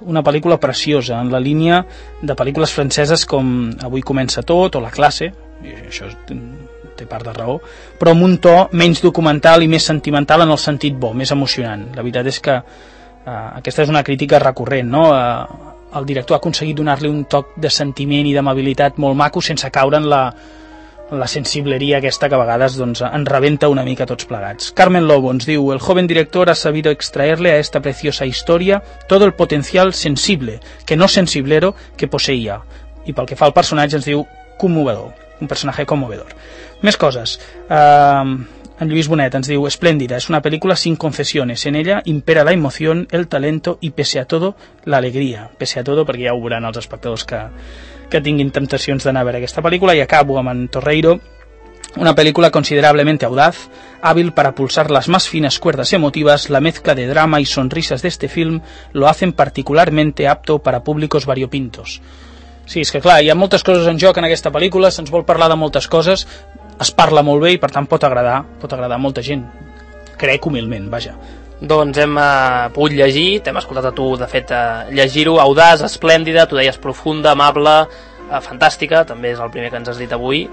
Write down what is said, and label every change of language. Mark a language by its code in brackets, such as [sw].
[ca] Una pel·lícula preciosa, en la línia de pel·lícules franceses com Avui comença tot o La classe, i això té part de raó, però amb un to menys documental i més sentimental en el sentit bo, més emocionant. La veritat és que aquesta és una crítica recurrent, no? El director ha aconseguit donar-li un toc de sentiment i d'amabilitat molt maco sense caure en la sensibleria aquesta que a vegades doncs, en rebenta una mica tots plegats. [es] Carmen Lobo [ca] ens diu: [es] el joven director ha sabido extraerle a esta preciosa historia todo el potencial sensible, que no sensiblero, que poseía. [ca] I pel que fa al personatge ens diu conmovedor, un personatge conmovedor. Més coses. [es] En Lluís Bonet [ca] ens diu: esplèndida, [es] es una película sin concesiones. En ella impera la emoción, el talento y, pese a todo, la alegría. Pese a todo, [ca] perquè ja ho veuran els espectadors que tinguin temptacions d'anar a veure aquesta pel·lícula. I acabo amb en Torreiro: [es] una película considerablemente audaz, hábil para pulsar las más finas cuerdas emotivas. La mezcla de drama y sonrisas de este film lo hacen particularmente apto para públicos variopintos. [ca] Sí, és que clar, hi ha moltes coses en joc en aquesta pel·lícula, se'ns vol parlar de moltes coses, es parla molt bé i per tant pot agradar a molta gent, crec humilment, vaja. Doncs hem pogut llegir, t'hem escoltat a tu, de fet, llegir-ho, audaç, esplèndida, tu deies profunda, amable, fantàstica, també és el primer que ens has dit avui,